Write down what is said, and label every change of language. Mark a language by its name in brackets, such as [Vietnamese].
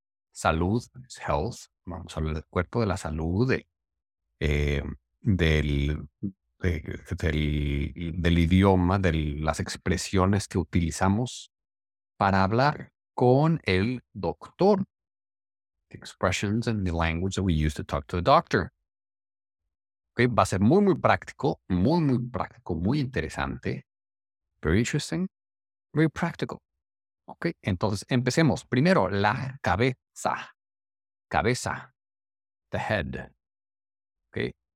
[Spanish] Salud [English] is health. [Spanish] Vamos a hablar del cuerpo, de la salud, del idioma, de las expresiones que utilizamos para hablar con el doctor. [English] The expressions and the language that we use to talk to the doctor. [Spanish] Okay, va a ser muy, muy práctico. Muy, muy práctico. Muy interesante. [English] Very interesting. Very practical. [Spanish] Okay, entonces empecemos. Primero, la cabeza. Cabeza. [English] The head. [Spanish] Okay.